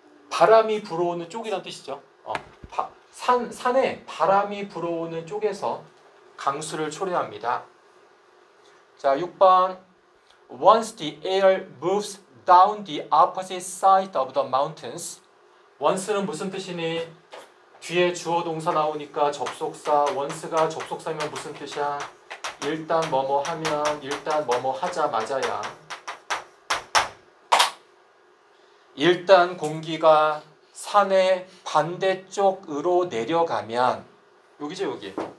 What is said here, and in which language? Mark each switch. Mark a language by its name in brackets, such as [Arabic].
[Korean] 바람이 불어오는 쪽이란 뜻이죠. 산에 바람이 불어오는 쪽에서 강수를 초래합니다. 자, 6번. [English] Once the air moves down the opposite side of the mountains. [Korean] Once는 무슨 뜻이니? 뒤에 주어 동사 나오니까 접속사. Once가 접속사면 무슨 뜻이야? 일단 뭐뭐 하면, 일단 뭐뭐 하자마자야. 일단 공기가 산의 반대쪽으로 내려가면, 여기죠, 여기.